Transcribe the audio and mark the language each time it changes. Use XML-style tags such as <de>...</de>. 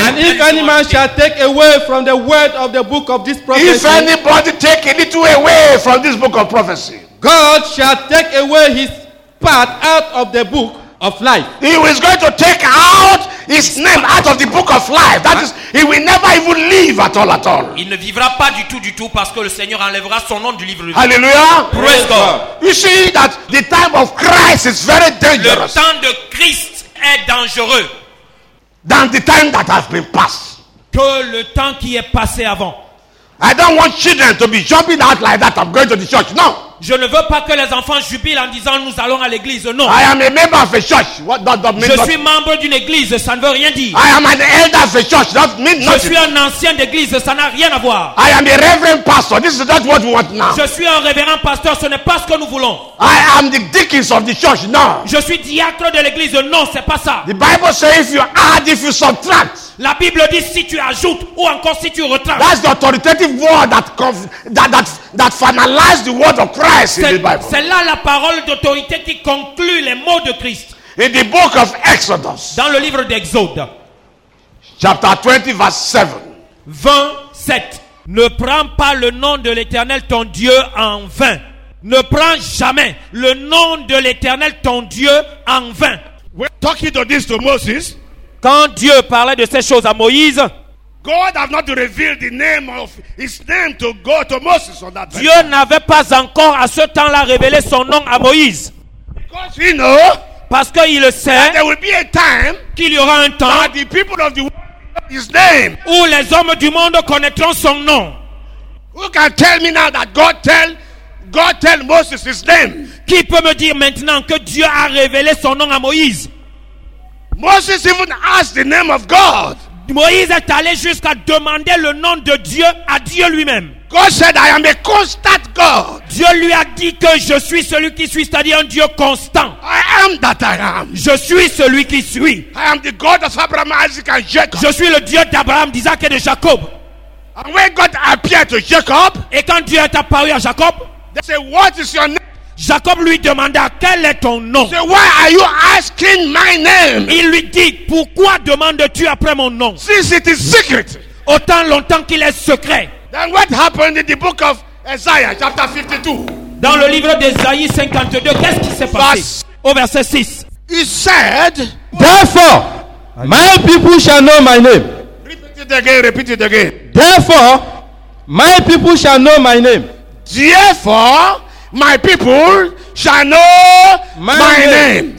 <en>and if any man shall take away from the word of the book of this prophecy, if anybody take a little away from this book of prophecy, God shall take away his part out of the book of life. He is going to take out his name out of the book of life. That is, he will never even live at all.</en> <fr>Il ne vivra pas du tout parce que le Seigneur enlèvera son nom du livre.</fr> <en>Hallelujah. Praise God. You see that the time of Christ is very dangerous.</en> <fr>Le temps de Christ est dangereux.</fr> <en>Than the time that has been passed.</en> <fr>Que le temps qui est passé avant.</fr> <en>I don't want children to be jumping out like that. I'm going to the church. No.</en> <fr>Je ne veux pas que les enfants jubilent en disant nous allons à l'église. Non.</fr> <en>I am a member of a church. What does that mean?</en> <fr>Je suis membre d'une église. Ça ne veut rien dire.</fr> <en>I am an elder of a church. That means nothing.</en> <fr>Je suis un ancien d'église. Ça n'a rien à voir.</fr> <en>I am a reverend pastor. This is not what we want now.</en> <fr>Je suis un révérend pasteur. Ce n'est pas ce que nous voulons.</fr> <en>I am the deacon of the church. No.</en> <fr>Je suis diacre de l'église. Non, c'est pas ça.</fr> <en>The Bible says if you add, if you subtract.</en> <fr>La Bible dit si tu ajoutes ou encore si tu retires.</fr> <en>That's the authoritative word that finalizes the word of Christ in the Bible.</en> <fr>C'est là la parole d'autorité qui conclut les mots de Christ.</fr> <en>In the book of Exodus.</en> <fr>Dans le livre d'Exode.</fr> <en>Chapter 20 verse 7.</en> <fr>27. Ne prends pas le nom de l'Éternel ton Dieu en vain. Ne prends jamais le nom de l'Éternel ton Dieu en vain.</fr> <en>We're talking to this to Moses.</en> <fr>Quand Dieu parlait de ces choses à Moïse, Dieu n'avait pas encore à ce temps-là révélé son nom à Moïse.</fr> <en>Because he know,</en> <fr>parce qu'il sait</fr> <en>there will be a time</en> <fr>qu'il y aura un temps</fr> <en>the people of the world, his name.</en> <fr>Où les hommes du monde connaîtront son nom.</fr> <en>Who can tell me now that God tell Moses his name?</en> <fr>Qui peut me dire maintenant que Dieu a révélé son nom à Moïse?</fr> <en>Moses even asked the name of God.</en> <fr>Moïse est allé jusqu'à demander le nom de Dieu à Dieu lui-même.</fr> <en>God said, I am a constant God.</en> <fr>Dieu lui a dit que je suis celui qui suis, c'est-à-dire un Dieu constant.</fr> <en>I am that I am.</en> <fr>Je suis celui qui suis.</fr> <en>I am the God of Abraham, Isaac, and Jacob.</en> <fr>Je suis le Dieu d'Abraham, d'Isaac et de Jacob.</fr> <en>And when God appeared to Jacob,</en> <fr>et quand Dieu est apparu à Jacob,</fr> <en>they said, what is your name?</en> <fr>Jacob lui demanda, quel est ton nom?</fr> <en>So why are you asking my name?</en> <fr>Il lui dit, pourquoi demandes-tu après mon nom?</fr> <en>Since it is secret.</en> <fr>Autant longtemps qu'il est secret.</fr> <en>Then what happened in the book of Isaiah, chapter 52?</en> <fr>Dans le livre d'Esaïe 52, qu'est-ce qui s'est passé? Au verset 6.</fr> <en>He said, therefore, my people shall know my name. Repeat it again. Therefore, my people shall know my name. Therefore, my people shall know my name.</en>